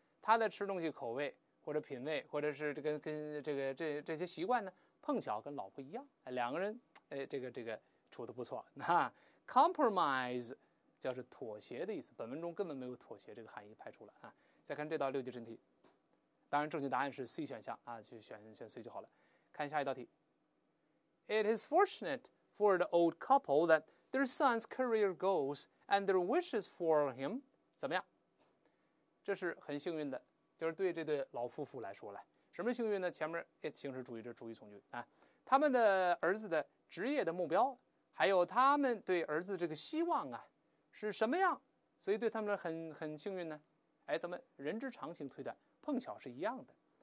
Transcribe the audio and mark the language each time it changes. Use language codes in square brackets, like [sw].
[zh] 他的吃东西口味或者品味或者是跟这些习惯呢，碰巧跟老婆一样，两个人处得不错。那 compromise 叫是妥协的意思，本文中根本没有妥协这个含义，排除了啊。再看这道六级真题，当然正确答案是 C 选项啊，去选 C 就好了。看下一道题 [en] ，It is fortunate for the old couple that their son's career goes and their wishes for him [zh] 怎么样？这是很幸运的，就是对这对老夫妇来说了。什么幸运呢？前面 it 形式主义，这主语从句啊，他们的儿子的职业的目标，还有他们对儿子这个希望啊，是什么样？所以对他们很幸运呢。哎，咱们人之常情推断，碰巧是一样的。